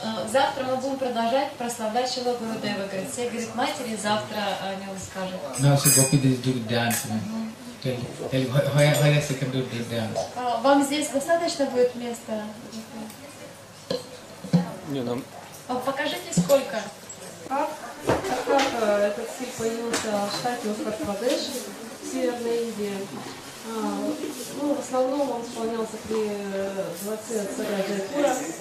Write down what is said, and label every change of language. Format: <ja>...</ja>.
<ru>Завтра мы будем продолжать прославлять Шрилу Гурудева. Все говорят матери, завтра о нем скажут.</ru> <en>No, see, Gopi Didi doing dance. Tell why else you can do this dance?</en> <ru>Вам здесь достаточно будет места? Не, нам... Покажите, сколько. Как этот стиль появился в штате Уттар-Прадеш, в Северной Индии. В основном он исполнялся при дворце царя Джайпура.</ru>